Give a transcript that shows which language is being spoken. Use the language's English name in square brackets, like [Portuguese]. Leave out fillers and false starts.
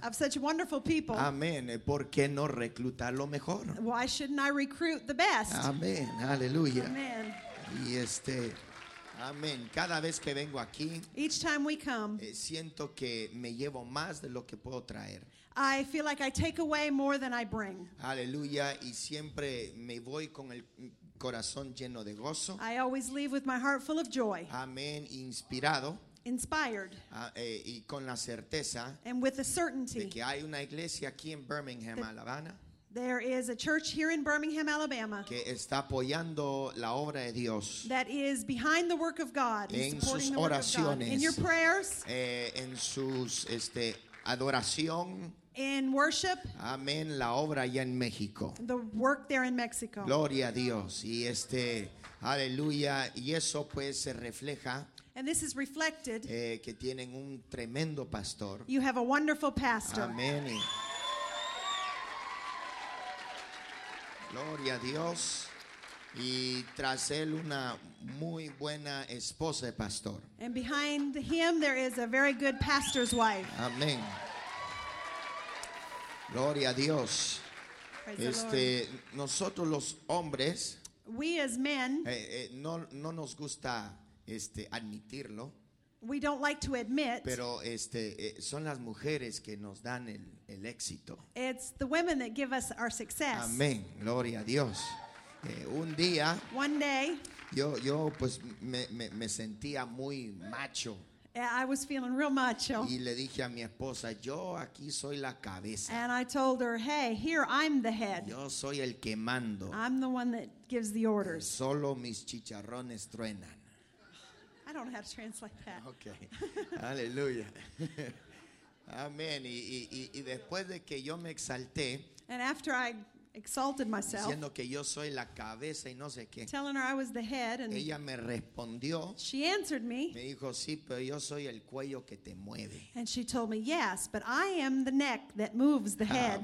[English] of such wonderful people, [Spanish] amén, ¿por qué no reclutar lo mejor? [English] Why shouldn't I recruit the best? [Spanish] Amén. Aleluya. Amén. Y este. Amén. Cada vez que vengo aquí, [English] each time we come, [Spanish] siento que me llevo más de lo que puedo traer. [English] I feel like I take away more than I bring. [Spanish] Aleluya. Y siempre me voy con el corazón lleno de gozo. [English] I always leave with my heart full of joy. [Spanish] Amén. Inspirado. [English] Inspired. [Spanish] Y con la certeza. [English] And with the certainty. [Spanish] De que hay una iglesia aquí en Birmingham, Alabama. [English] There is a church here in Birmingham, Alabama, [Spanish] que está apoyando la obra de Dios, [English] that is behind the work of God, [Spanish] en sus oraciones, [English] in your prayers, [Spanish] en sus adoración, [English] in worship, [Spanish] amén, la obra allá en México, [English] the work there in Mexico. [Spanish] Gloria a Dios. Y aleluya. Y eso pues se refleja. [English] And this is reflected. [Spanish] Que tienen un tremendo pastor. [English] You have a wonderful pastor. [Spanish] Amén. Gloria a Dios. Y tras él una muy buena esposa de pastor. [English] And behind him there is a very good pastor's wife. [Spanish] Amén. Gloria a Dios. [English] Praise the Lord. [Spanish] Nosotros los hombres, [English] we as men, [Spanish] no nos gusta admitirlo. [English] We don't like to admit. [Spanish] Pero son las mujeres que nos dan el éxito. [English] It's the women that give us our success. [Spanish] Amén. Gloria a Dios. Un día, [English] one day, [Spanish] yo pues me sentía muy macho. [English] I was feeling real macho. [Spanish] Y le dije a mi esposa, yo aquí soy la cabeza. [English] And I told her, hey, here I'm the head. [Spanish] Yo soy el que mando. [English] I'm the one that gives the orders. [Spanish] Solo mis chicharrones truenan. [English] I don't know how to translate that. [Spanish] Okay. Aleluya. Amén. Y después de que yo me exalté, [English] and after I exalted myself, [Spanish] diciendo que yo soy la cabeza y no sé qué, [English] telling her I was the head, and [Spanish] ella me respondió, [English] she answered me. [Spanish] Me dijo, sí, pero yo soy el cuello que te mueve. [English] And she told me, yes, but I am the neck that moves the head.